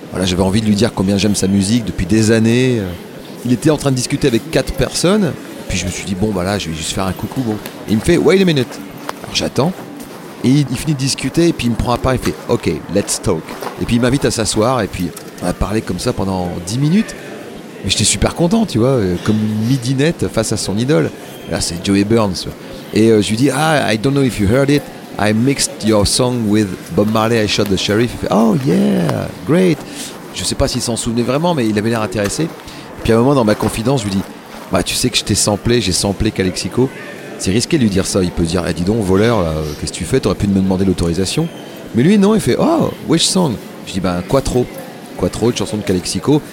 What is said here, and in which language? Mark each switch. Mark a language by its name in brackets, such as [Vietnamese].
[French] Voilà, j'avais envie de lui dire combien j'aime sa musique depuis des années. Il était en train de discuter avec 4 personnes, puis je me suis dit, bon, bah là, je vais juste faire un coucou. Bon. Et il me fait, [English] wait a minute. [French] Alors j'attends, et il finit de discuter, et puis il me prend à part, il fait, [English] ok, let's talk. [French] Et puis il m'invite à s'asseoir, et puis on a parlé comme ça pendant 10 minutes. Mais j'étais super content, tu vois, comme une midinette face à son idole. Là, c'est Joey Burns. Et je lui dis, ah, [English] I don't know if you heard it, I mixed your song with Bob Marley, I Shot the Sheriff. [French] Il fait, [English] oh yeah, great. [French] Je sais pas s'il s'en souvenait vraiment, mais il avait l'air intéressé. Puis à un moment dans ma confidence, je lui dis, bah tu sais que je t'ai samplé, j'ai samplé Calexico. C'est risqué de lui dire ça. Il peut dire, eh, dis donc, voleur, là, qu'est-ce que tu fais? T'aurais pu me demander l'autorisation. Mais lui, non, il fait, [English] oh, which song? [French] Je dis, bah, Quattro. Quattro, une chanson de Calexico.